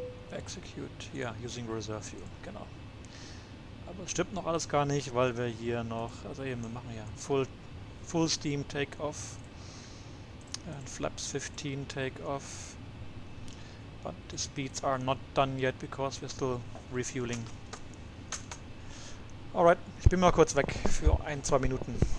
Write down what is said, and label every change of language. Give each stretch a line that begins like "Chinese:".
English: Execute, ja, yeah, using reserve fuel, genau.
German: Aber es stimmt noch alles gar nicht, weil wir hier noch, also eben, wir machen ja
English: full steam takeoff. And flaps 15 takeoff. But the speeds are not done yet because we're still refueling.
German: Alright, ich bin mal kurz weg für ein, zwei Minuten.